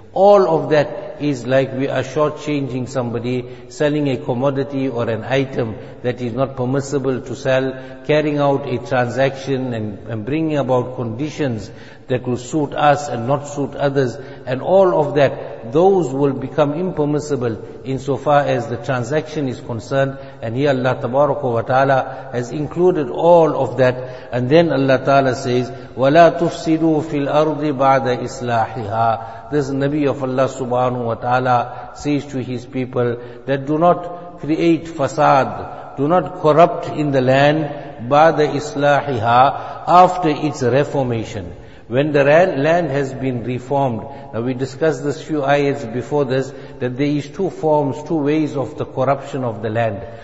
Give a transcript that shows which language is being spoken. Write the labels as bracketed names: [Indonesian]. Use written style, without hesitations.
[English] All of that is like we are shortchanging somebody, selling a commodity or an item that is not permissible to sell, carrying out a transaction and bringing about conditions that will suit us and not suit others. And all of that, those will become impermissible insofar as the transaction is concerned. And here Allah Tabaraka wa Ta'ala has included all of that. [Arabic] And then Allah Ta'ala says, وَلَا تُفْسِدُوا فِي الْأَرْضِ بَعْدَ إِصْلَاحِهَا. [English] This Nabi of Allah subhanahu wa ta'ala says to his people that do not create fasad, do not corrupt in the land, [Arabic] ba'da islahiha, [English] after its reformation. When the land has been reformed, now we discussed this few ayats before this, that there is two forms, two ways of the corruption of the land.